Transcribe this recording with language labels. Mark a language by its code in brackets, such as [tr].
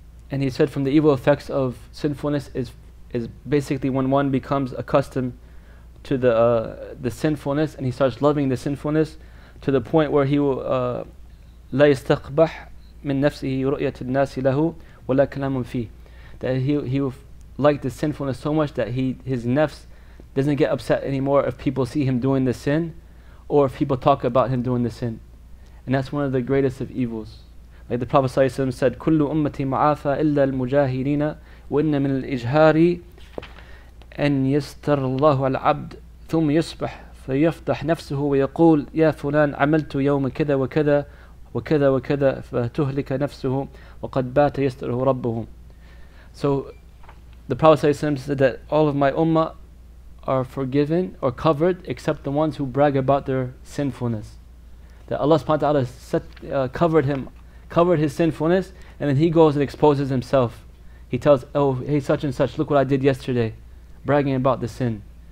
[en] And he said from the evil effects of sinfulness is basically when one becomes accustomed to the sinfulness and he starts loving the sinfulness to the point where he will [ar] لا يستقبح من نفسه رؤية الناس له ولا كلام فيه. [en] That he will like the sinfulness so much that his nafs doesn't get upset anymore if people see him doing the sin or if people talk about him doing the sin. And that's one of the greatest of evils. Like the Prophet ﷺ said, [ar] كل أمتي معافى إلا المجاهرين وإن من الإجهار أن يستر الله العبد ثم يصبح فيفتح نفسه ويقول يا فلان عملت يوم كذا وكذا وكذا وكذا فتهلك نفسه وقد بات يستره ربه. [en] So the Prophet ﷺ said that all of my ummah are forgiven or covered except the ones who brag about their sinfulness. That Allah subhanahu wa ta'ala covered his sinfulness, and then he goes and exposes himself. He tells, oh, hey, such and such, look what I did yesterday, bragging about the sin.